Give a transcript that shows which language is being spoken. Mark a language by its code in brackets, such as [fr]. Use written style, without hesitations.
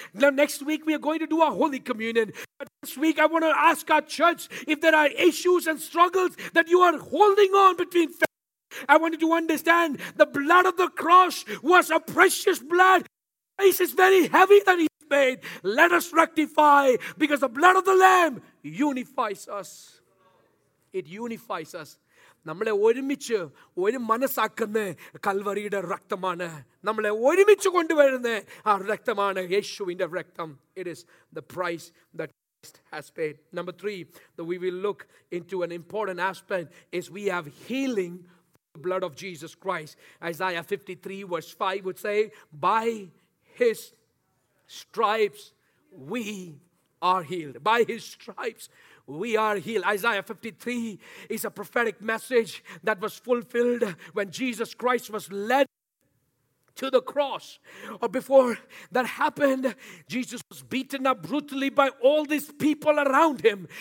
[en] Now, next week, we are going to do our Holy Communion. But this week, I want to ask our church, if there are issues and struggles that you are holding on between, I want you to understand the blood of the cross was a precious blood. Christ is very heavy that he's made. Let us rectify, because the blood of the Lamb unifies us. It unifies us. [ml] നമ്മളെ ഒരുമിച്ച് ഒരു മനസ്സാക്കുന്ന കൽവറിയുടെ രക്തമാണ്. നമ്മളെ ഒരുമിച്ച് കൊണ്ടുവരുന്ന ആ രക്തമാണ് യേശുവിന്റെ രക്തം. [en] It is the price that Christ has paid. Number 3, the we will look into an important aspect is we have healing blood of Jesus Christ. Isaiah 53 verse 5 would say, by his stripes we are healed. By his stripes we are healed. Isaiah 53 is a prophetic message that was fulfilled when Jesus Christ was led to the cross. Or before that happened, Jesus was beaten up brutally by all these people around him.